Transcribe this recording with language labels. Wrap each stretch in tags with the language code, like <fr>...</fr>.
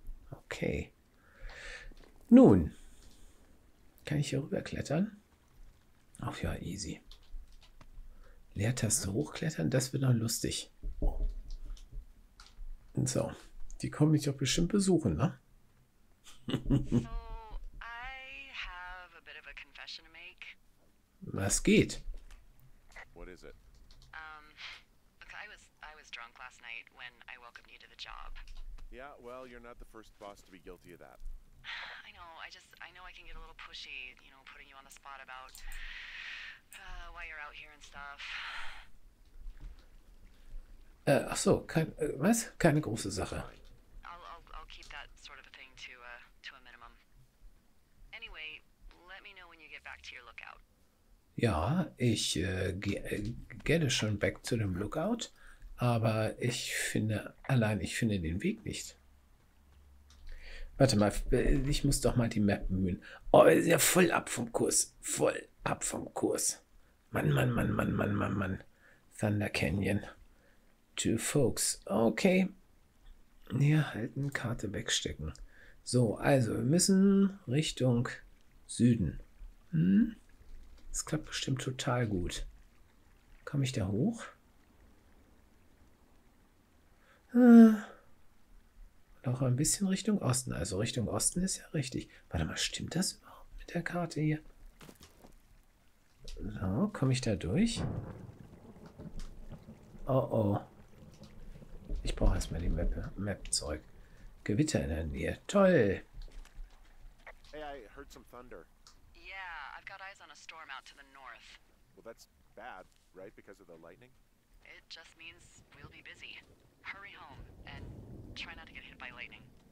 <de>Okay. Nun, kann ich hier rüberklettern? Ach ja, easy. Leertaste hochklettern, das wird noch lustig. So, die kommen mich doch bestimmt besuchen, ne?</de> <en>So, I have a bit of a confession to make.</en> <de>Was geht?</de> <en>What is it? Look, I was drunk last night when I welcomed you to the job. Yeah, well, you're not the first boss to be guilty of that. I know I can get a little pushy, you know, putting you on the spot about why you're out here and stuff.</en> <de>Ach so, kein, was? Keine große Sache.</de> <en>I'll keep that sort of a thing to a minimum. Anyway, let me know when you get back to your lookout.</en> <de>Ja, ich gehe schon back zu dem Lookout, aber ich finde, allein ich finde den Weg nicht. Warte mal, ich muss doch mal die Map bemühen. Oh, ist ja voll ab vom Kurs. Voll ab vom Kurs. Mann. Thunder Canyon.</de> <en>Two folks.</en> <de>Okay. Hier halten, Karte wegstecken. So, also, wir müssen Richtung Süden. Hm? Das klappt bestimmt total gut. Komme ich da hoch? Noch ein bisschen Richtung Osten. Also Richtung Osten ist ja richtig. Warte mal, stimmt das überhaupt mit der Karte hier? So, komme ich da durch? Oh oh. Ich brauche erstmal die Map zurück. Gewitter in der Nähe. Toll.</de> <en>Hey, I heard some thunder. Yeah, I've got eyes on a storm out to the north. Well, that's bad, right? Because of the lightning? It just means we'll be busy. Hurry home and try not to get hit by lightning.</en>